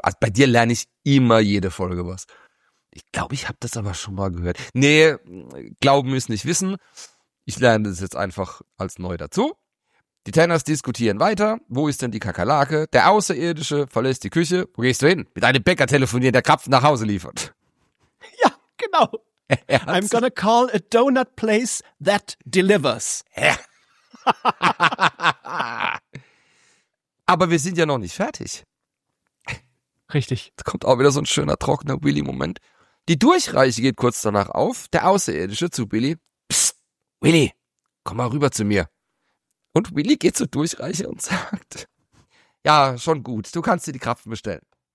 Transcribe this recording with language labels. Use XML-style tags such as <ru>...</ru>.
<de>Also bei dir lerne ich immer jede Folge was. Ich glaube, ich habe das aber schon mal gehört. Nee, glauben ist nicht wissen. Ich lerne das jetzt einfach als neu dazu. Die Tenners diskutieren weiter. Wo ist denn die Kakerlake? Der Außerirdische verlässt die Küche. Wo gehst du hin? Mit einem Bäcker telefonieren, der Krapfen nach Hause liefert. Ja, genau.</de> <en>I'm gonna call a donut place that delivers.</en> <de>Aber wir sind ja noch nicht fertig. Richtig. Da kommt auch wieder so ein schöner, trockener Willy-Moment. Die Durchreiche geht kurz danach auf. Der Außerirdische zu Billy. Psst, Willy, komm mal rüber zu mir. Und Willy geht zur Durchreiche und sagt, ja, schon gut, du kannst dir die Krapfen bestellen.</de>